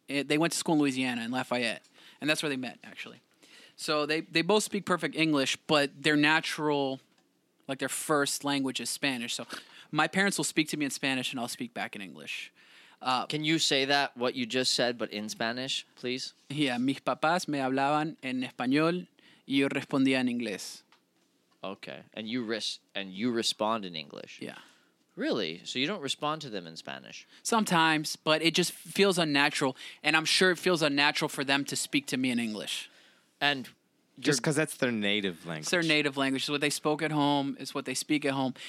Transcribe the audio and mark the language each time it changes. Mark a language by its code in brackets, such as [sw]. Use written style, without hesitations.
[en] They went to school in Louisiana in Lafayette. And that's where they met, actually. So they both speak perfect English, but their natural, like their first language is Spanish. So my parents will speak to me in Spanish, and I'll speak back in English. Can you say that, what you just said, but in Spanish, please? [es] Yeah, mis papás me hablaban en español y yo respondía en inglés. [en] Okay, and you respond in English? Yeah. Really? So you don't respond to them in Spanish? Sometimes, but it just feels unnatural, and I'm sure it feels unnatural for them to speak to me in English. And just because that's their native language. It's their native language. It's what they spoke at home. It's what they speak at home.